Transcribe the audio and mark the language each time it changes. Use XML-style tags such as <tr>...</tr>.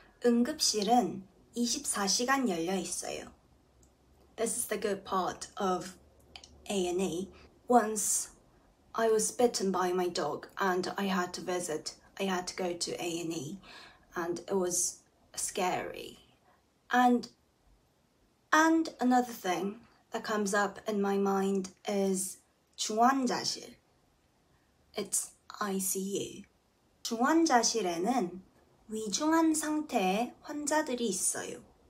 <ko>응급실은 24시간 열려 있어요.</ko> <en>This is the good part of A&E. Once I was bitten by my dog and I had to go to A&E, and it was scary. And another thing that comes up in my mind is 중환자실. It's ICU.</en> <ko>중환자실에는 위중한 상태의 환자들이 있어요.</ko>